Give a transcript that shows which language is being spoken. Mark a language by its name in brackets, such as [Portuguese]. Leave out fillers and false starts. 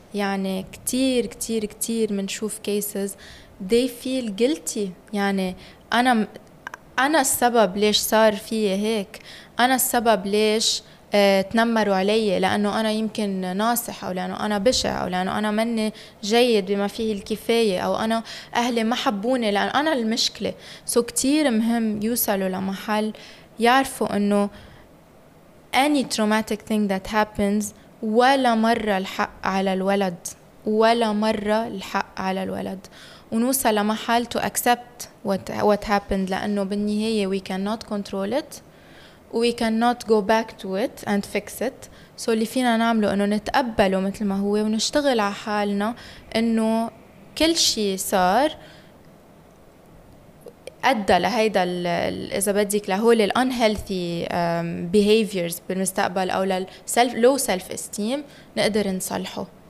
[Arabic] يعني كتير كتير كتير منشوف [English] cases they feel guilty, [Arabic] يعني أنا السبب ليش صار فيه هيك, أنا السبب ليش تنمروا علي, لأنه أنا يمكن ناصح أو لأنه أنا بشع أو لأنه أنا مني جيد بما فيه الكفاية أو أنا أهلي ما حبوني لأن أنا المشكلة. سو كتير مهم يوصلوا لمحل يعرفوا أنه [English] any traumatic thing that happens [Arabic] ولا مرة الحق على الولد, ولا مرة الحق على الولد. ونوصل لمحل [English] to accept what happened, [Arabic] لأنه بالنهاية [English] we cannot control it, we cannot go back to it and fix it. [Arabic] So اللي فينا نعمله انه نتقبله مثل ما هو ونشتغل على حالنا انه كل شيء صار ادى لهيدا, اذا بدك لهول الانهيلثي behaviors بالمستقبل او للسلف لو سلف استيم نقدر نصلحه.